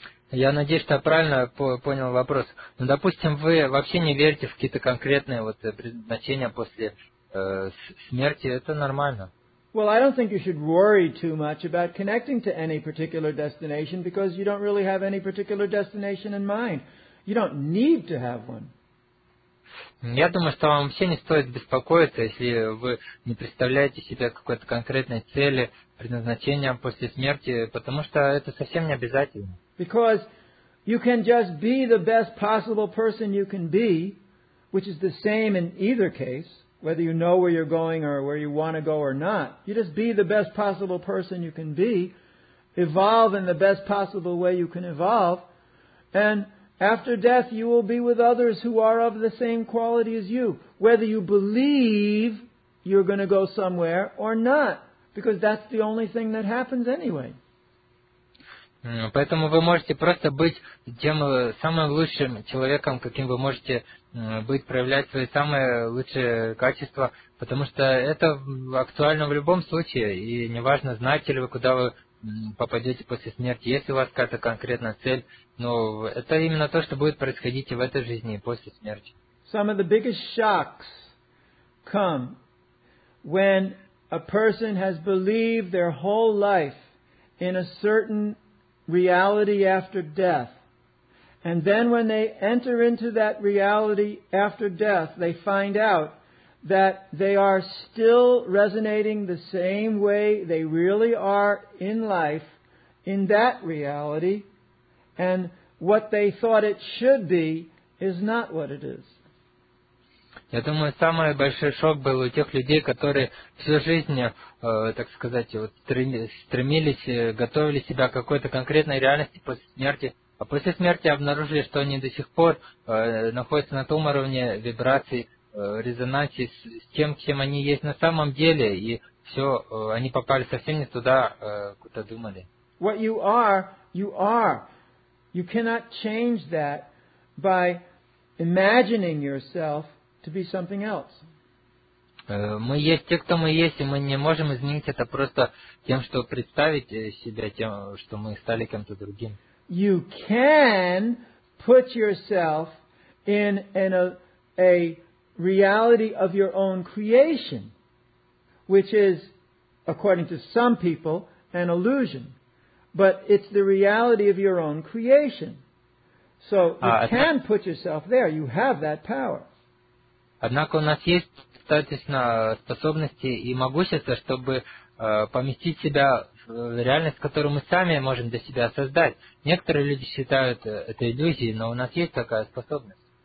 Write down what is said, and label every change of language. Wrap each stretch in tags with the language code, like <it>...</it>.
<ru>Я надеюсь, что я правильно понял вопрос. Ну, допустим, вы вообще не верите в какие-то конкретные вот предназначения после смерти, это нормально.</ru> <en>Well, I don't think you should worry too much about connecting to any particular destination because you don't really have any particular destination in mind. You don't need to have one.</en> <ru>Я думаю, что вам вообще не стоит беспокоиться, если вы не представляете себе какой-то конкретной цели, предназначения после смерти, потому что это совсем не обязательно.</ru> <en>Because you can just be the best possible person you can be, which is the same in either case, whether you know where you're going or where you want to go or not. You just be the best possible person you can be, evolve in the best possible way you can evolve, and after death, you will be with others who are of the same quality as you, whether you believe you're going to go somewhere or not, because that's the only thing that happens anyway.</en> <ru>Поэтому вы можете просто быть тем самым лучшим человеком, каким вы можете быть, проявлять свои самые лучшие качества, потому что это актуально в любом случае, и неважно, знаете ли вы, куда вы попадете после смерти, есть ли у вас какая-то конкретная цель, но это именно то, что будет происходить и в этой жизни, и после смерти.</ru> <en>Some of the biggest shocks come when a person has believed their whole life in a certain reality after death. And then when they enter into that reality after death, they find out that they are still resonating the same way they really are in life, in that reality, and what they thought it should be is not what it is.</en> <ru>Я думаю, самый большой шок был у тех людей, которые всю жизнь, так сказать, вот, стремились, готовили себя к какой-то конкретной реальности после смерти. А после смерти обнаружили, что они до сих пор находятся на том уровне вибраций, резонансии с тем, чем они есть на самом деле. И все, они попали совсем не туда, куда думали.</ru> <en>What you are, you are. You cannot change that by imagining yourself to be something else.</en> <ru>Мы есть те, кто мы есть, и мы не можем изменить это просто тем, что представить себя тем, что мы стали кем-то другим.</ru> <en>You can put yourself in a reality of your own creation, which is, according to some people, an illusion. But it's the reality of your own creation. So you can put yourself there. You have that power.</en> <ru>Однако у нас есть достаточно способности и могущества, чтобы поместить себя в реальность, которую мы сами можем для себя создать. Некоторые люди считают это иллюзией, но у нас есть такая способность.</ru>